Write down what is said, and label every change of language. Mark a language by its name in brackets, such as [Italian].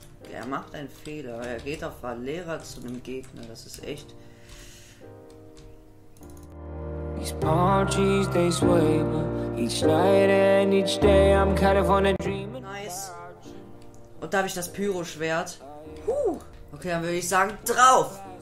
[German] Er macht einen Fehler. Er geht auf Valera zu einem Gegner. Das ist echt. [English] These palm trees, they sway me. Each night and each day I'm kind of on a dream. Nice. [German] Und da habe ich das Pyro-Schwert. Huh. Okay, dann würde ich sagen, drauf!